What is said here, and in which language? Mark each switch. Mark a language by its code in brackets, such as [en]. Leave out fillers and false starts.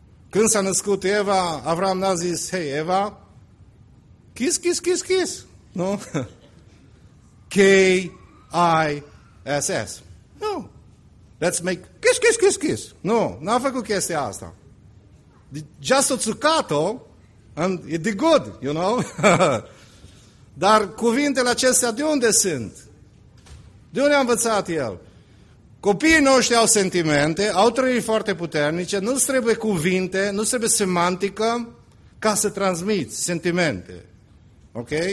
[ro] Când s-a născut Eva, Avram n-a zis, hei, Eva, [en] kiss, kiss, kiss, kiss, [ro] nu? K-I-S-S. Nu. [en] Let's make kiss, kiss, kiss, kiss. [ro] Nu, n-a făcut chestia asta. [en] Just [ro] o țucat-o [en] and it did good, you know? [ro] Dar cuvintele acestea de unde sunt? De unde a învățat el? Copiii noștri au sentimente, au trăiri foarte puternice, nu-ți trebuie cuvinte, nu-ți trebuie semantică ca să transmiți sentimente. Ok?